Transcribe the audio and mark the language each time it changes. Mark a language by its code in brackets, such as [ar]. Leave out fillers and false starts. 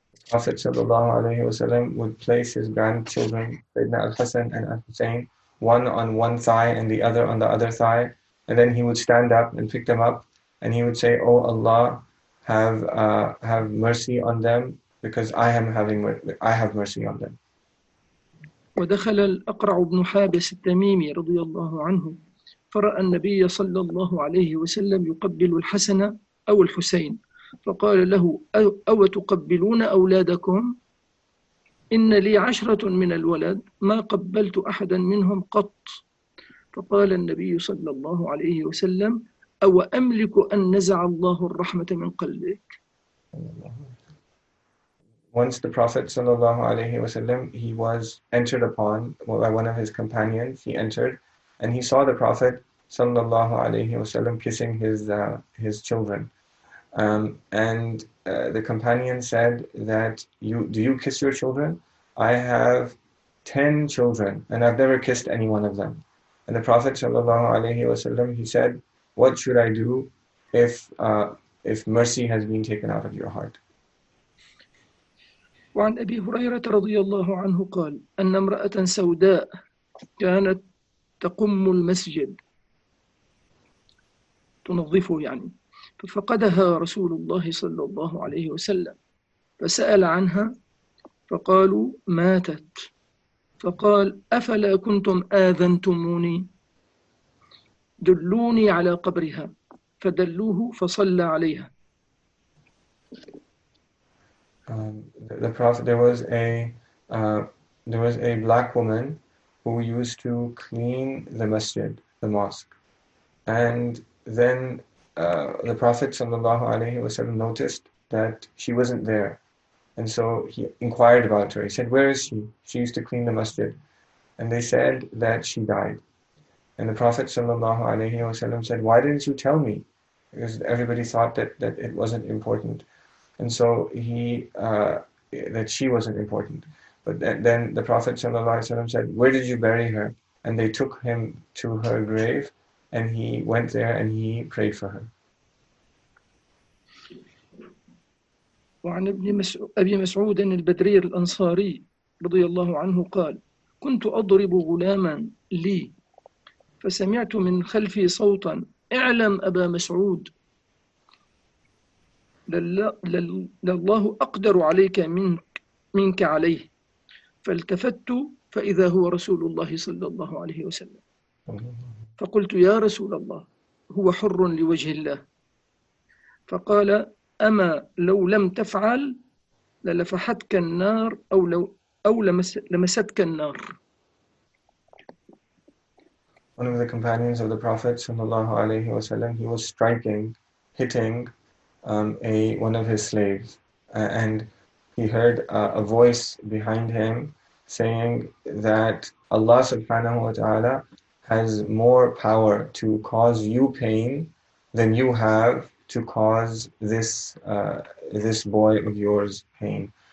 [en] Prophet sallallahu alaihi wasallam would place his grandchildren, Sayyidina al-Hasan and al-Husayn, one on one thigh and the other on the other thigh, and then he would stand up and pick them up, and he would say, "Oh Allah, have mercy on them, because I have mercy on them." [ar] ودخل الأقرع بن حابس التميمي رضي الله عنه فرأى النبي صلى الله عليه وسلم يقبل الحسن أو الحسين فقال له أو تقبلون أولادكم؟ إن لي 10 من الولد ما قبلت أحدا منهم قط. فقال النبي صلى الله عليه وسلم أو أملك أن نزع الله الرحمة من قلبك؟ [en] Once the Prophet sallallahu alaihi wasallam, he was entered upon by one of his companions. He entered, and he saw the Prophet sallallahu alaihi wasallam kissing his children. The companion said that do you kiss your children? I have 10 children, and I've never kissed any one of them. And the Prophet sallallahu alaihi wasallam, he said, what should I do if mercy has been taken out of your heart? [ar] وعن أبي هريرة رضي الله عنه قال أن امرأة سوداء كانت تقم المسجد تنظفه يعني ففقدها رسول الله صلى الله عليه وسلم فسأل عنها فقالوا ماتت. فقال أفلا كنتم آذنتموني؟ دلوني على قبرها. فدلوه فصلى عليها. [en] The Prophet, there was a black woman who used to clean the masjid, the mosque, and then the Prophet sallallahu alaihi wasallam noticed that she wasn't there, and so he inquired about her. He said, "Where is she? She used to clean the masjid," and they said that she died. And the Prophet sallallahu alaihi wasallam said, "Why didn't you tell me?" Because everybody thought that it wasn't important. And so that she wasn't important. But then the Prophet ﷺ said, where did you bury her? And they took him to her grave, and he went there and he prayed for her. [ar] وعن ابن أبي مسعود البدري الأنصاري رضي الله عنه قال كنت أضرب غلاما لي فسمعت من خلفي صوتا اعلم أبا مسعود لله أقدر عليك منك عليه. فالتفت فإذا هو رسول الله صلى الله عليه وسلم. فقلت يا رسول الله هو حر لوجه الله. فقال أما لو لم تفعل للفحتك النار أو لمستك النار. [en] One of the companions of the Prophet sallallahu alaihi wasallam, he was striking, hitting one of his slaves, and he heard a voice behind him saying that Allah subhanahu wa ta'ala has more power to cause you pain than you have to cause this boy of yours pain.